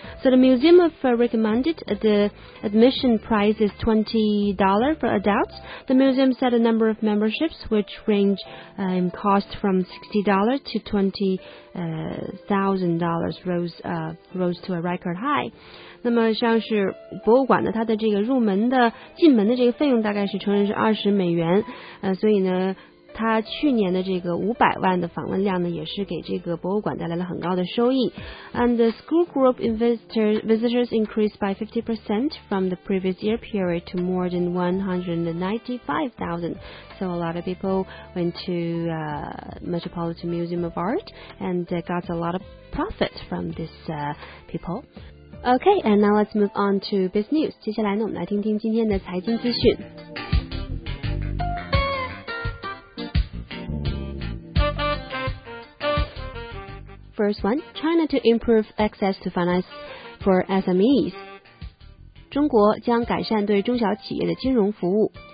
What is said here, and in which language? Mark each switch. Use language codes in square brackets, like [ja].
[en] So the museum of recommended the admission price is $20 for adults. The museum set a number of memberships which range in cost from $60 to $20,000 rose to a record high. [zh] 那么像是博物馆呢，它的这个入门的进门的这个费用大概是成人是$20，所以呢他去年的这个500万的访问量呢，也是给这个博物馆带来了很高的收益。 [en] And the school group visitors increased by 50% from the previous year period to more than 195,000. So a lot of people went to Metropolitan Museum of Art and got a lot of profit from this people. Okay, and now let's move on to biz news. [zh] 接下来呢，我们来听听今天的财经资讯。 [en] First one, China to improve access to finance for SMEs. [zh] 中国将改善对中小企业的金融服务。